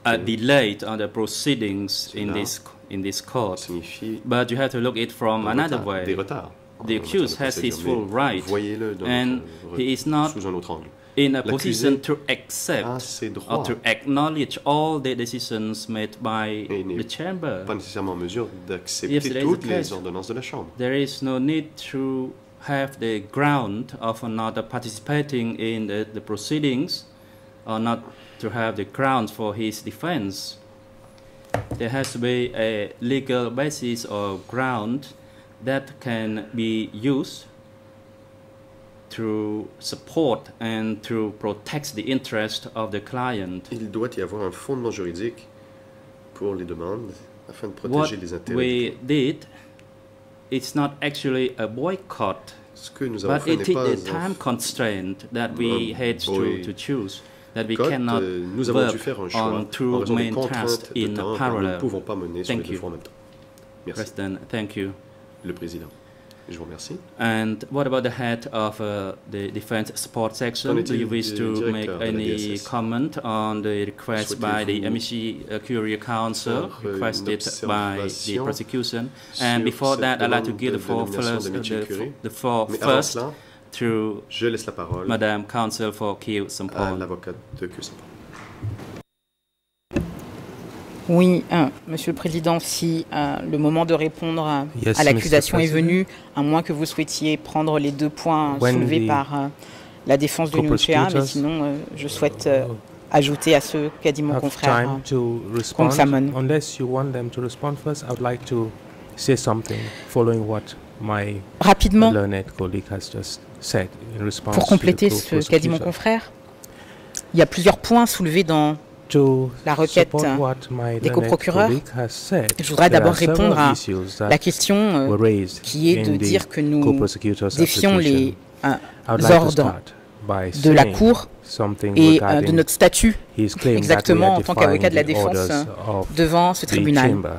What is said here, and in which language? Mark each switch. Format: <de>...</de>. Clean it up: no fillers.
<en>a delay on the proceedings in this court. But you have to look at it from another way.</en> <fr>Des retards.</fr> <en>The accused has his full right, and he is not in a position to accept or to acknowledge all the decisions made by the chamber.</en> <fr>Pas nécessairement en mesure d'accepter toutes les ordonnances de la chambre.</fr> <en>There is no need to have the ground of not participating in the proceedings, or not to have the grounds for his defense. There has to be a legal basis or ground that can be used to support and to protect the interest of the client.</en> <fr>Il doit y avoir un fondement juridique pour les demandes afin de protéger</fr> <en>what</en> <fr>les intérêts.</fr> <en>What we did, it's not actually a boycott. But it is a time constraint that we had to choose, that we cannot work on two main tasks in parallel. Thank you. President, thank you.</en> <fr>Le président. Je vous remercie.</fr> <en>And what about the head of the Defense Support Section? Do you wish to make any comment on the request by the MEC Courier Council requested by the prosecution? And before that, I'd like to give the floor first to Madame Counsel for Kyiv Sampol.</en> <fr>Oui, Monsieur le Président, si le moment de répondre à l'accusation est venu, à moins que vous souhaitiez prendre les deux points soulevés par la défense de Nouchea, mais sinon je souhaite ajouter à ce qu'a dit mon confrère Kong Samon.</fr> <en>Unless you want them to respond first, I would like to say something following what my</en> <fr>rapidement,</fr> <en>learned colleague has just said in response.</en> <fr>Pour compléter ce qu'a dit mon confrère, il y a plusieurs points soulevés dans la requête des coprocureurs. Je voudrais d'abord répondre à la question qui est de dire que nous défions les ordres de la Cour et de notre statut exactement en tant qu'avocat de la défense devant ce tribunal.</fr>